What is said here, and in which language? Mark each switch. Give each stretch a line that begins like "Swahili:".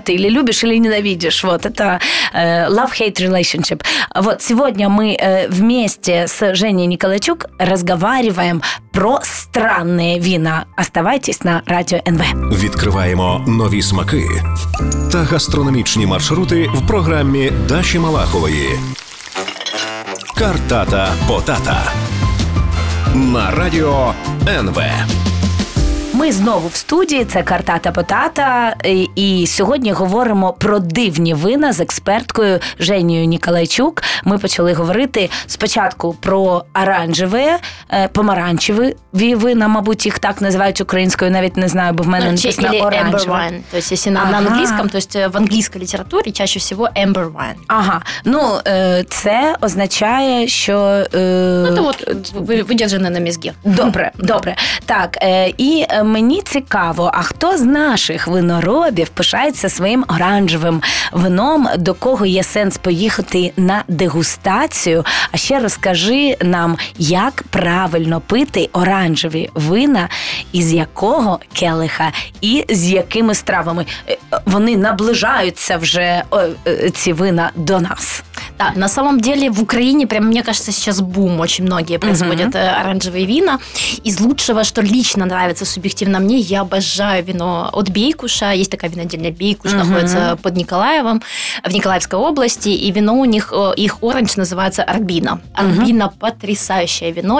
Russian: Ты или любишь, или ненавидишь. Вот, это
English: love-hate relationship.
Russian: Вот сегодня мы вместе с Женей Николайчук разговариваем про странные вина. Оставайтесь на радио НВ.
Ukrainian: Відкриваємо нові смаки та гастрономічні маршрути в програмі Даші Малахової. Картата потата на радіо НВ. Ми знову в студії, це «Картата Потата», і сьогодні говоримо про дивні вина з експерткою Женією Ніколайчук. Ми почали говорити спочатку про помаранчеві вина, мабуть, їх так називають українською, навіть не знаю, бо в мене написано «оранжеве». Тобто, якщо на англійському,
Russian: то есть
Ukrainian: в англійській літературі
Russian: чаще
Ukrainian: всього «amber wine». Ага, ну це означає, що... Ну, то от видержане на мізгі. Добре. Так, і... Мені цікаво, а хто з наших виноробів пишається своїм оранжевим вином, до кого є сенс поїхати на дегустацію? А ще розкажи нам, як правильно пити оранжеві вина, із якого келиха і з якими стравами? Вони наближаються вже, ці вина, до нас.
Russian: Да, на самом деле в Украине, прям мне кажется, сейчас бум, очень многие производят оранжевые вина. Из лучшего, что лично нравится субъективно мне, я обожаю вино от Бейкуша. Есть такая винодельня Бейкуш, находится под Николаевом, в Николаевской области. И вино у них, их оранж называется Арбина. Арбина – потрясающее вино.